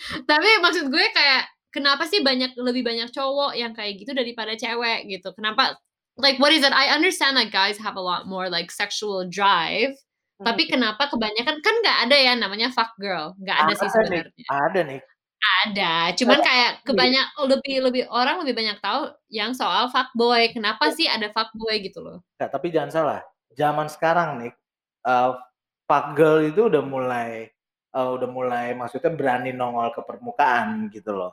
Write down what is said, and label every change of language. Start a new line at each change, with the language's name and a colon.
Indonesian: tapi maksud gue kayak kenapa sih lebih banyak cowok yang kayak gitu daripada cewek gitu? Kenapa?
English: Like what is it? I understand that guys have a lot more like sexual drive.
Indonesian: Tapi kenapa kebanyakan kan nggak ada ya namanya fuck girl? Nggak ada sih sebenarnya. Ada nih. Ada, cuman kayak kebanyakan lebih orang lebih banyak tahu yang soal fuckboy. Kenapa sih ada fuckboy gitu loh? Nah, tapi jangan salah, zaman sekarang nih fuck girl itu udah mulai maksudnya berani nongol ke permukaan gitu loh.